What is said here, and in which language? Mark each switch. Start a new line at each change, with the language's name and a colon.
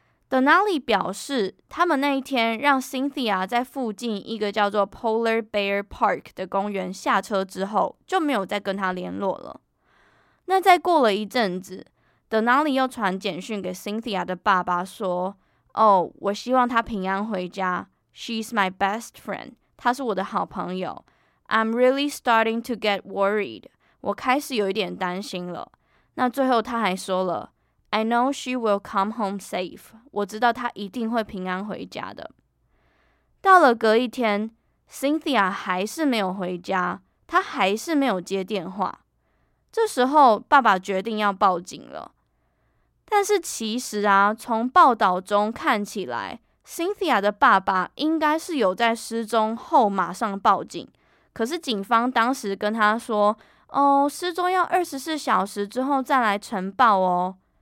Chinese: Denali 表示他们那一天让 Cynthia 在附近一个叫做 Polar Bear Park 的公园下车之后就没有再跟他联络了。那再过了一阵子， Denali 又传简讯给 Cynthia 的爸爸说，哦，我希望他平安回家。
English: She's my best friend，
Chinese: 他是我的好朋友。
English: I'm really starting to get worried，
Chinese: 我开始有一点担心了。那最后他还说了，
English: I know she will come home safe，
Chinese: 我知道他一定会平安回家的。到了隔一天， Cynthia 还是没有回家，他还是没有接电话。这时候爸爸决定要报警了。但是其实啊，从报道中看起来， Cynthia 的爸爸应该是有在失踪后马上报警，可是警方当时跟他说，哦，失踪要24小时之后再来呈报哦。